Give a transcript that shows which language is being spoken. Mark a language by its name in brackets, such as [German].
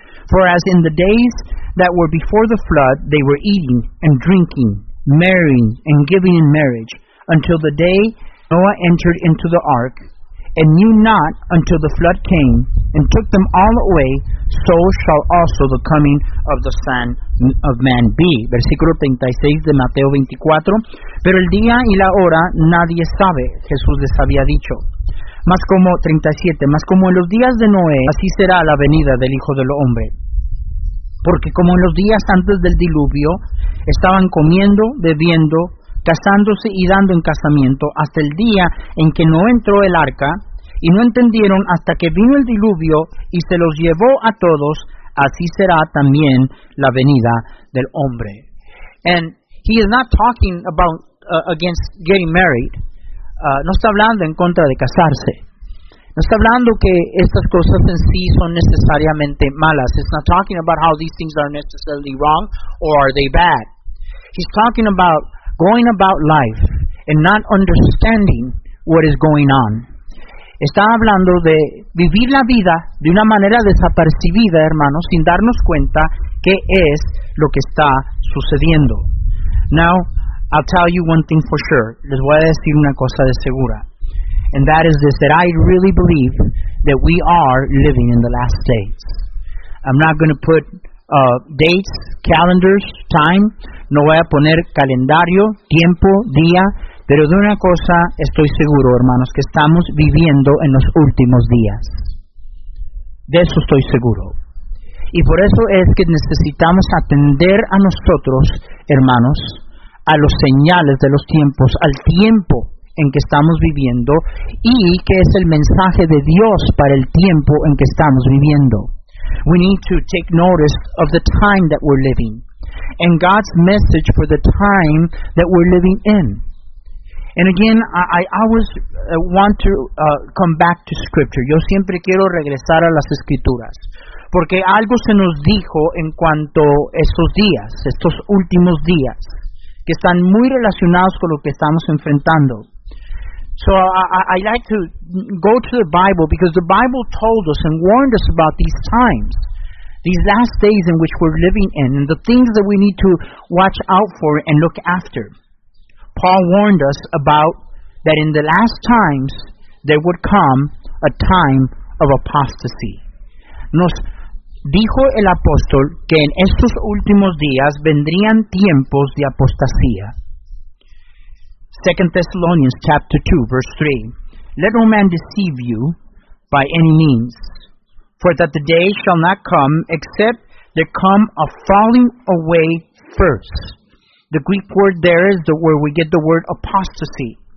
[English] For as in the days that were before the flood, they were eating and drinking, marrying and giving in marriage, until the day Noah entered into the ark, and knew not until the flood came and took them all away, so shall also the coming of the Son of Man be. [Spanish] Versículo 36 de Mateo 24. Pero el día y la hora nadie sabe, Jesús les había dicho. Mas como 37, mas como en los días de Noé, así será la venida del Hijo del Hombre. Porque como en los días antes del diluvio, estaban comiendo, bebiendo, casándose y dando en casamiento, hasta el día en que no entró el arca, y no entendieron hasta que vino el diluvio y se los llevó a todos, así será también la venida del Hombre. [English] And he is not talking about against getting married. [Spanish] No está hablando en contra de casarse. No está hablando que estas cosas en sí son necesariamente malas. [English] It's not talking about how these things are necessarily wrong or are they bad. He's talking about going about life and not understanding what is going on. [Spanish] Está hablando de vivir la vida de una manera desapercibida, hermanos, sin darnos cuenta qué es lo que está sucediendo. [English] Now, I'll tell you one thing for sure. [Spanish] Les voy a decir una cosa de segura. [English] And that is this, that I really believe that we are living in the last days. I'm not going to put dates, calendars, time. [Spanish] No voy a poner calendario, tiempo, día. Pero de una cosa estoy seguro, hermanos, que estamos viviendo en los últimos días. De eso estoy seguro. Y por eso es que necesitamos atender a nosotros, hermanos, a los señales de los tiempos, al tiempo en que estamos viviendo y que es el mensaje de Dios para el tiempo en que estamos viviendo. [English] We need to take notice of the time that we're living and God's message for the time that we're living in. And again, I always want to come back to Scripture. [Spanish] Yo siempre quiero regresar a las Escrituras. Porque algo se nos dijo en cuanto a estos días, estos últimos días, que están muy relacionados con lo que estamos enfrentando. [English] So I like to go to the Bible because the Bible told us and warned us about these times, these last days in which we're living in, and the things that we need to watch out for and look after. Paul warned us about that in the last times there would come a time of apostasy. [Spanish] Nos dijo el apóstol que en estos últimos días vendrían tiempos de apostasía. [English] 2 Thessalonians chapter 2, verse 3. Let no man deceive you by any means, for that the day shall not come except there come a falling away first. The Greek word there is the where we get the word apostasy.